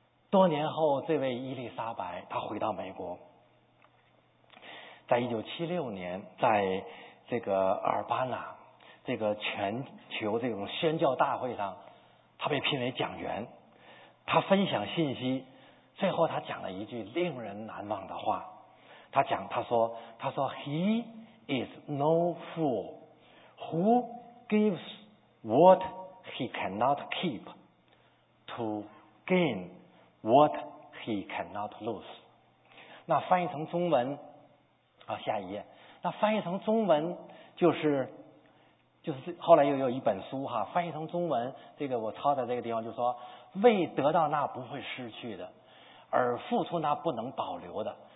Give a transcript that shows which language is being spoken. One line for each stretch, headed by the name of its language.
Chinese: 多年后，这位伊丽莎白她回到美国，在1976年，在这个阿尔巴纳这个全球这种宣教大会上，她被聘为讲员。她分享信息，最后她讲了一句令人难忘的话。她讲，她说
English: He is no fool who gives what he cannot keep to gain what he cannot lose。
Chinese: 那翻译成中文，好，下一页。那翻译成中文就是后来又有一本书哈，翻译成中文，这个我抄在这个地方，就说为得到那不会失去的，而付出那不能保留的。